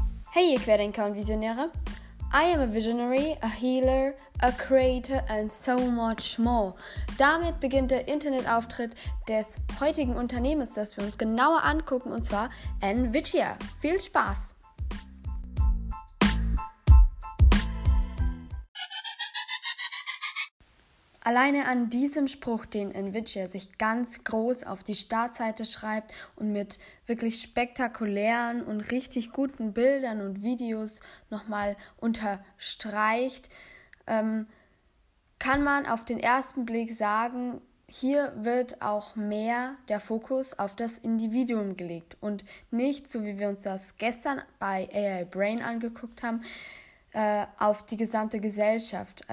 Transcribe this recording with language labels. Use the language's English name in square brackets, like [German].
[German] Hey, ihr Querdenker und Visionäre. [English] I am a visionary, a healer, a creator and so much more. [German] Damit beginnt der Internetauftritt des heutigen Unternehmens, das wir uns genauer angucken, und zwar Envichia. Viel Spaß! Alleine an diesem Spruch, den Envichia sich ganz groß auf die Startseite schreibt und mit wirklich spektakulären und richtig guten Bildern und Videos nochmal unterstreicht, kann man auf den ersten Blick sagen, hier wird auch mehr der Fokus auf das Individuum gelegt und nicht, so wie wir uns das gestern bei AI Brain angeguckt haben, auf die gesamte Gesellschaft.